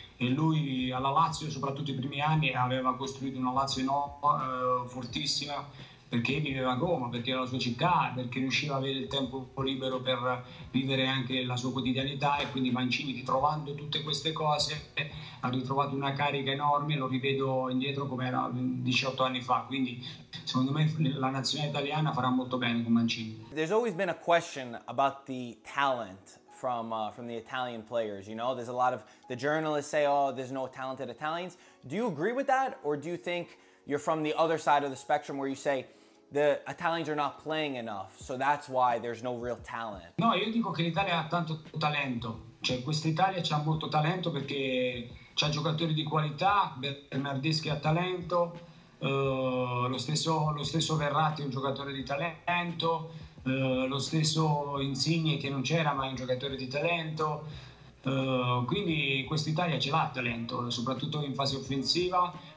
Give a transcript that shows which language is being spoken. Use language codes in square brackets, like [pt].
[it] e lui alla Lazio, soprattutto i primi anni, aveva costruito una Lazio enorme, fortissima, perché viveva a Roma, perché era la sua città, perché riusciva ad avere il tempo libero per vivere anche la sua quotidianità. E quindi Mancini, ritrovando tutte queste cose, ha ritrovato una carica enorme. Lo rivedo indietro come era 18 anni fa. Quindi, secondo me, la nazionale italiana farà molto bene con Mancini. [en] There's always been a question about the talent from the Italian players. You know, there's a lot of the journalists say, oh, there's no talented Italians. Do you agree with that? Or do you think you're from the other side of the spectrum where you say the Italians are not playing enough, so that's why there's no real talent? [it] No, io dico che l'Italia ha tanto talento, cioè questa Italia c'ha molto talento perché c'ha giocatori di qualità, Bernardeschi ha talento, lo stesso Verratti è un giocatore di talento, lo stesso Insigne che non c'era ma è un giocatore di talento, quindi questa Italia ce l'ha talento, soprattutto in fase offensiva.